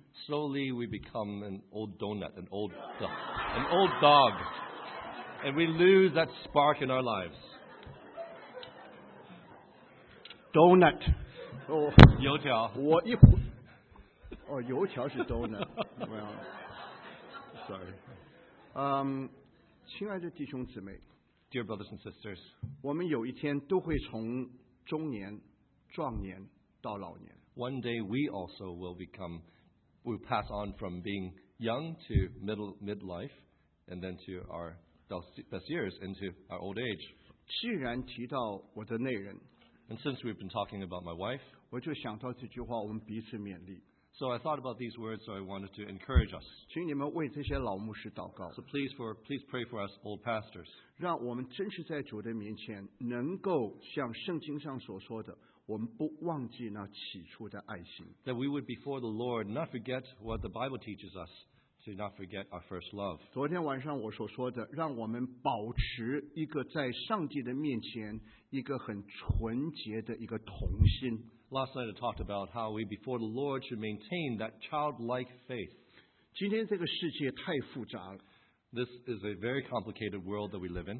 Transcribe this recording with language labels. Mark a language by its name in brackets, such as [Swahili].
[English] Slowly we become an old donut, an old dog, and we lose that spark in our lives. Donut. [Chinese] 油条。我一壶。哦，油条是 donut. [English] Well, sorry. [Chinese] 亲爱的弟兄姊妹。 [English] Dear brothers and sisters. [Chinese] 我们有一天都会从中年、壮年到老年。 [English] One day we also will pass on from being young to midlife and then to our best years into our old age. [Chinese] 既然提到我的内人, [English] and since we've been talking about my wife, [Chinese] 我就想到这句话我们彼此勉励。 [English] So I thought about these words, so I wanted to encourage us. [Chinese] 请你们为这些老牧师祷告。 [English] So please pray for us old pastors. [Chinese] 让我们真实在主的面前能够像圣经上所说的我们不忘记那起初的爱心。 [English] That we would before the Lord not forget what the Bible teaches us, to not forget our first love. [Chinese] 昨天晚上我所说的，让我们保持一个在上帝的面前一个很纯洁的一个童心。 [English] Last night I talked about how we before the Lord should maintain that childlike faith. [Chinese] 今天这个世界太复杂了。 [English] This is a very complicated world that we live in.